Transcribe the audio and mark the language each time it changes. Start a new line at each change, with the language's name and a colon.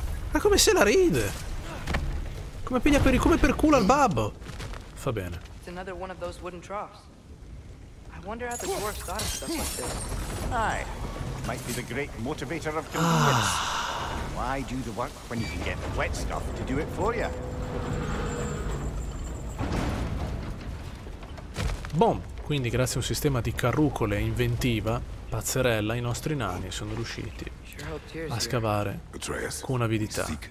Italian: Ma come se la ride? Come piglia per il, come per culo al babbo? Fa bene.
English: It's another one of those wooden troughs. I wonder how the dwarves got stuff like this. Aye. Might be the great motivator of convenience. Why do the work when you can get the wet stuff to do it for you? Boom!
Italian: Quindi grazie a un sistema di carrucole inventiva, pazzerella, i nostri nani sono riusciti a scavare con avidità.